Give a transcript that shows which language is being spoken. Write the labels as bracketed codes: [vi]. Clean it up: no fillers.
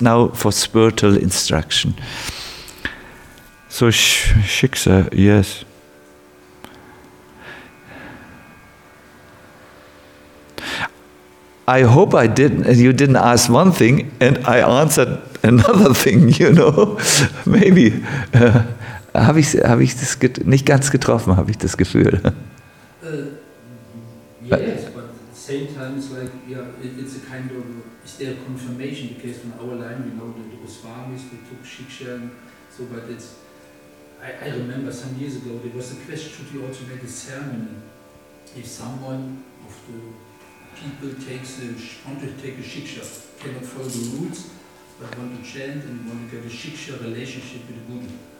[en] Now for spiritual instruction. So Shiksha, yes. I hope I didn't. You didn't ask one thing, and I answered another thing. You know, maybe. [de] Habe ich das nicht ganz getroffen? Habe ich das Gefühl? [en] Yes, but at the same time, it's like it's a kind of, is there a confirmation? Because from our line, we know that the Goswamis, we took Shiksha, so. But it's, I remember some years ago there was a question: should you also make a ceremony if someone of the people takes a, want to take a Shiksha, cannot follow the rules, but want to chant and want to get a Shiksha relationship with the Buddha.